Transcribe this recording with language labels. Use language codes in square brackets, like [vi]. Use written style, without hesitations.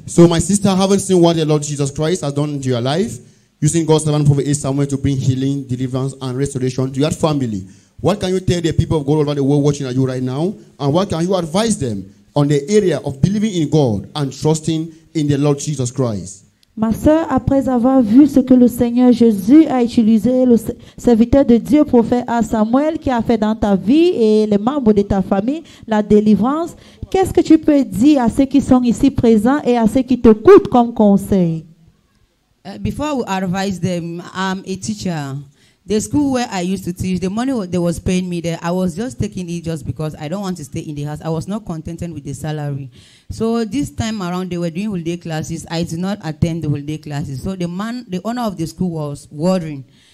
[en] So my sister, having seen what the Lord Jesus Christ has done into your life, using God's servant prophet A. Samuel to bring healing, deliverance, and restoration to your family, what can you tell the people of God all over the world watching you right now? And what can you advise them on the area of believing in God and trusting in the Lord Jesus Christ. [fr] Ma sœur, après avoir vu ce que le Seigneur Jésus a utilisé, le serviteur de Dieu, prophète à Samuel, qui a fait dans ta vie et les membres de ta famille, la délivrance, qu'est-ce que tu peux dire à ceux qui sont ici présents et à ceux qui t'écoutent comme conseil? [en] Before I advise them, I'm a teacher. The school where I used to teach, the money they was paying me there, I was just taking it just because I don't want to stay in the house. I was not contented with the salary. So this time around, they were doing holiday classes. I did not attend the holiday classes. So the man, the owner of the school was worrying.